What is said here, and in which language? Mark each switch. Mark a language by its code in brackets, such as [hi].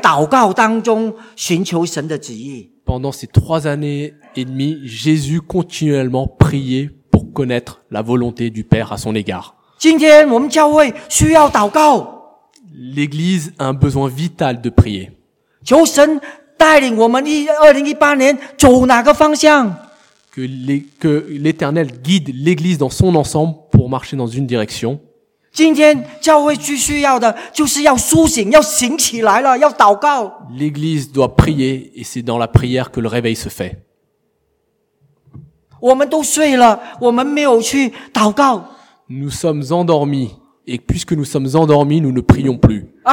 [zh] 耶稣他在整个的所走的3年半的时间，都在祷告当中寻求神的旨意。 [fr] Pendant ces 3 années et demie, Jésus continuellement priait pour connaître la volonté du Père à son égard. [zh] 今天我们教会需要祷告。 [fr] L'Église a un besoin vital de prier. [zh] 求神带领我们2018年走哪个方向。 [fr] Que l'Éternel guide l'Église dans son ensemble pour marcher dans une direction. [zh] 今天教会需要的就是要苏醒，要醒起来了，要祷告。 [fr] L'Église doit prier et c'est dans la prière que le réveil se fait. [zh] 我们都睡了，我们没有去祷告。 [fr] Nous sommes endormis et puisque nous sommes endormis, nous ne prions plus.